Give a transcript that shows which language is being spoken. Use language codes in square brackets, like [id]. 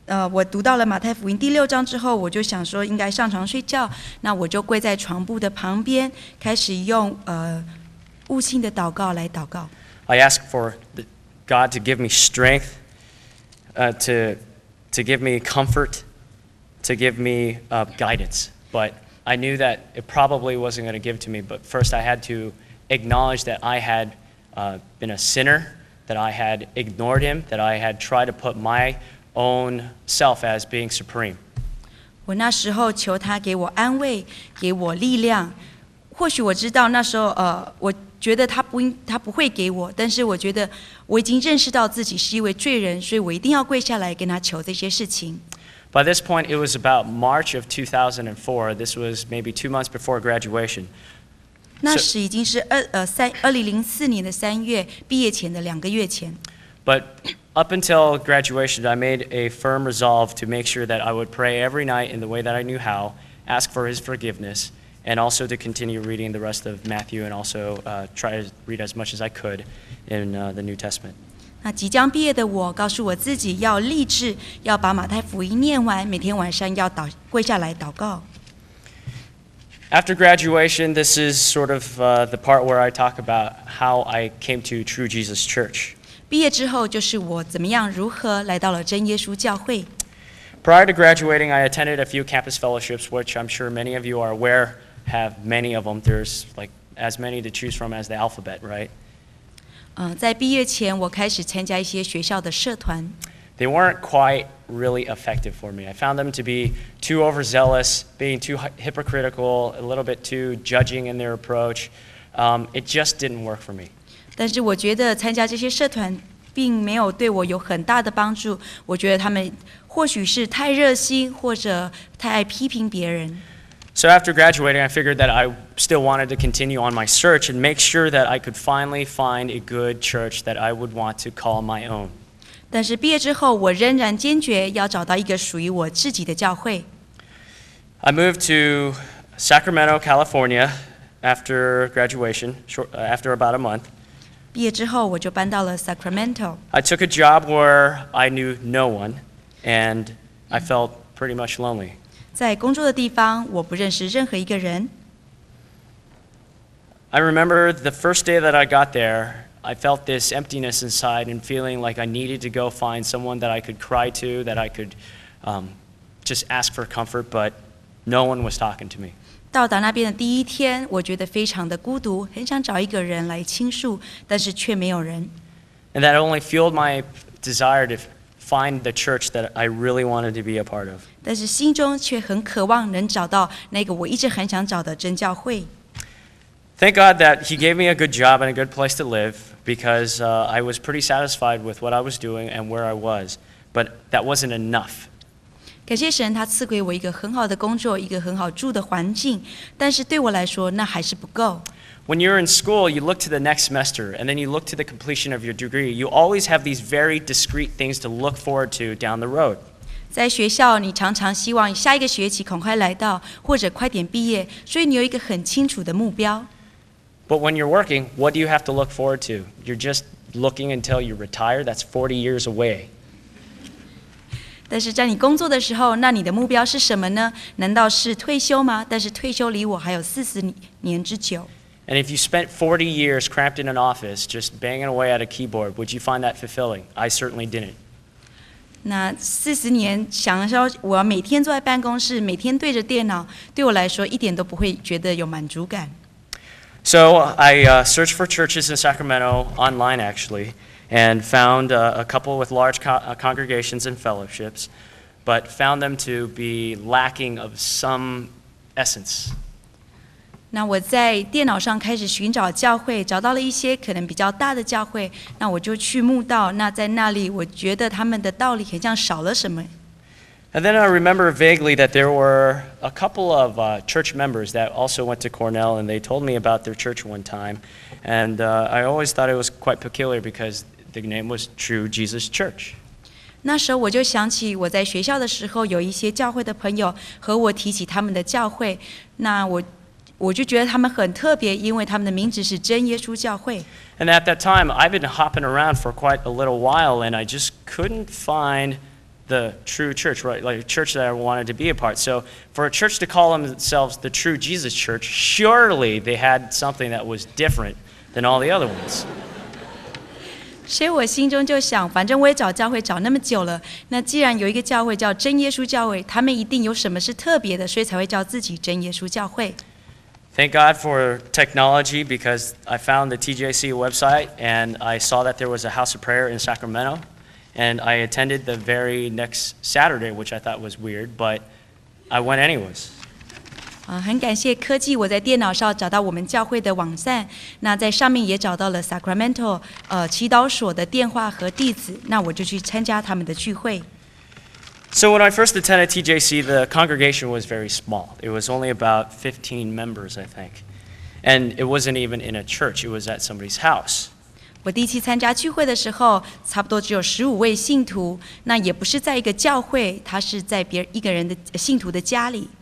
[zh] 我读到了马太福音第六章之后，我就想说应该上床睡觉，那我就跪在床铺的旁边，开始用悟性的祷告来祷告。 [en] I ask for God to give me strength, to give me comfort, to give me guidance. But I knew that it probably wasn't going to give to me. But first, I had to acknowledge that I had been a sinner, that I had ignored Him, that I had tried to put my own self as being supreme. [zh] 我那时候求他给我安慰，给我力量。或许我知道那时候，我。觉得他不会给我，但是我觉得我已经认识到自己是一位罪人，所以我一定要跪下来跟他求这些事情。 [en] By this point, it was about March of 2004. This was maybe 2 months before graduation. [zh] 那时已经是2004年的三月，毕业前的两个月前。 [en] But up until graduation, I made a firm resolve to make sure that I would pray every night in the way that I knew how, ask for His forgiveness. And also to continue reading the rest of Matthew and also try to read as much as I could in the New Testament. [zh] 那即将毕业的我告诉我自己要立志要把马太福音念完每天晚上要跪下来祷告。 [en] After graduation, this is sort of the part where I talk about how I came to True Jesus Church. [zh] 毕业之后就是我怎么样如何来到了真耶稣教会。 [en] Prior to graduating, I attended a few campus fellowships, which I'm sure many of you are aware have many of them. There's like as many to choose from as the alphabet, right? [zh] 在毕业前，我开始参加一些学校的社团。 [en] They weren't quite really effective for me. I found them to be too overzealous, being too hypocritical, a little bit too judging in their approach. It just didn't work for me. [zh] 但是我觉得参加这些社团并没有对我有很大的帮助。我觉得他们或许是太热心，或者太爱批评别人。 [en] So after graduating, I figured that I still wanted to continue on my search and make sure that I could finally find a good church that I would want to call my own. [zh] 但是毕业之后，我仍然坚决要找到一个属于我自己的教会。 [en] I moved to Sacramento, California after graduation, after about a month. [zh] 毕业之后，我就搬到了 Sacramento. [en] I took a job where I knew no one, and I felt pretty much lonely. [zh] 在工作的地方，我不认识任何一个人。 [en] I remember the first day that I got there, I felt this emptiness inside and feeling like I needed to go find someone that I could cry to, that I could just ask for comfort, but no one was talking to me. [zh] 到达那边的第一天，我觉得非常的孤独，很想找一个人来倾诉，但是却没有人。 [en] And that only fueled my desire to find the church that I really wanted to be a part of. [zh] 但是心中却很渴望能找到那个我一直很想找的真教会。 [en] Thank God that he gave me a good job and a good place to live because I was pretty satisfied with what I was doing and where I was, but that wasn't enough. [zh] 感谢神，他赐给我一个很好的工作，一个很好住的环境，但是对我来说，那还是不够。 [en] When you're in school, you look to the next semester, and then you look to the completion of your degree. You always have these very discrete things to look forward to down the road. [zh] 在学校，你常常希望下一个学期赶快来到，或者快点毕业，所以你有一个很清楚的目标。 [en] But when you're working, what do you have to look forward to? You're just looking until you retire. That's 40 years away. [zh] 但是在你工作的时候，那你的目标是什么呢？难道是退休吗？但是退休离我还有40年之久。 [en] And if you spent 40 years cramped in an office, just banging away at a keyboard, would you find that fulfilling? I certainly didn't. [zh] 那40年想说我每天坐在办公室，每天对着电脑，对我来说一点都不会觉得有满足感。 [en] So I searched for churches in Sacramento online, actually, and found a couple with large congregations and fellowships, but found them to be lacking of some essence. [zh] 那我在电脑上开始寻找教会，找到了一些可能比较大的教会，那我就去慕道，那在那里我觉得他们的道理很像少了什么。 [en] And then I remember vaguely that there were a couple of church members that also went to Cornell, and they told me about their church one time. And I always thought it was quite peculiar because the name was True Jesus Church. [zh] 那时候我就想起我在学校的时候有一些教会的朋友和我提起他们的教会，那我就觉得他们很特别，因为他们的名字是真耶稣教会。 [en] And at that time, I've been hopping around for quite a little while, and I just couldn't find the true church, right? Like a church that I wanted to be a part. So for a church to call themselves the True Jesus Church, surely they had something that was different than all the other ones. [zh] 所以我心中就想，反正我也找教会找那么久了，那既然有一个教会叫真耶稣教会，他们一定有什么是特别的，所以才会叫自己真耶稣教会。 [en] Thank God for technology because I found the TJC website and I saw that there was a house of prayer in Sacramento. And I attended the very next Saturday, which I thought was weird, but I went anyways. [zh] 很感谢科技，我在电脑上找到我们教会的网站，那在上面也找到了 Sacramento 祈祷所的电话和地址，那我就去参加他们的聚会。 [en] So when I first attended TJC, the congregation was very small. It was only about 15 members, I think. And it wasn't even in a church, it was at somebody's house. [zh] 我第一次参加聚会的时候，差不多只有15位信徒，那也不是在一个教会，他是在别一个人的信徒的家里。